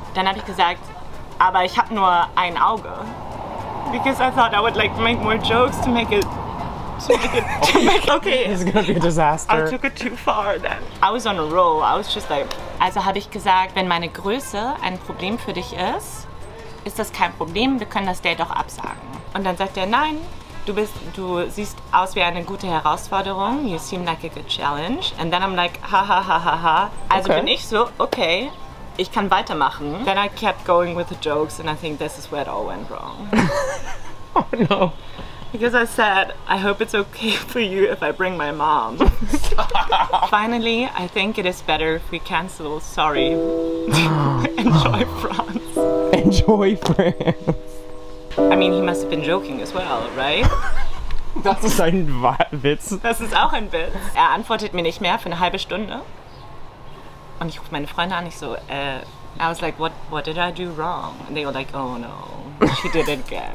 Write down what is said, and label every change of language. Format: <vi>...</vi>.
<de>Dann habe ich gesagt, aber ich habe nur ein Auge.</de> <en>Because I thought I would like make more jokes to make it okay. This is gonna be a disaster. I took it too far then. I was on a roll. I was just like.</en> <de>Also habe ich gesagt, wenn meine Größe ein Problem für dich ist, ist das kein Problem. Wir können das Date auch absagen. Und dann sagt er, nein. Du siehst aus wie eine gute Herausforderung.</de> <en>You seem like a good challenge. And then I'm like, ha ha ha ha ha.</en> <de>Also okay. Bin ich so, okay. Ich kann weitermachen.</de> <en>Then I kept going with the jokes and I think this is where it all went wrong. Oh no. Because I said, I hope it's okay for you if I bring my mom. Finally, I think it is better if we cancel. Sorry. Enjoy France. Enjoy France. I mean, he must have been joking as well, right?</en> <de>Das ist ein Witz. Das ist auch ein Witz. Er antwortet mir nicht mehr für eine halbe Stunde. Und ich rufe meine Freunde an, ich so,</de> <en>I was like, what did I do wrong? And they were like, oh no, she did it again.</en>